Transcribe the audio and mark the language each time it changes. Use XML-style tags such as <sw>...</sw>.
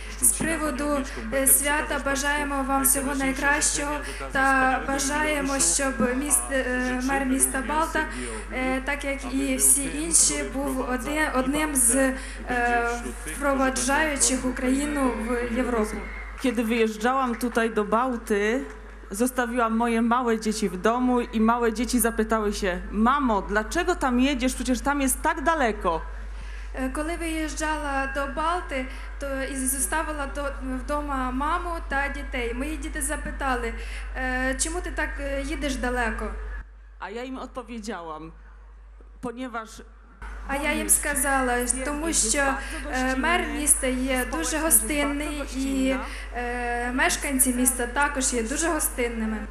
<uk>З приводу свята бажаємо вам всього найкращого та бажаємо, щоб мер міста Балта, так як і всі інші, був одним з впроваджаючих Україну в Європу.</uk> <pl>Kiedy wyjeżdżałam tutaj do Bałty, zostawiłam moje małe dzieci w domu i małe dzieci zapytały się: mamo, dlaczego tam jedziesz? Przecież tam jest tak daleko.</pl> <uk>Коли виїжджала до Балти, то і зоставила вдома маму та дітей. Мої діти запитали: чому ти так їдеш далеко? А я їм відповіла: ponieważ. А я їм сказала, тому що мер міста є дуже гостинний і мешканці міста також є дуже гостинними.</uk>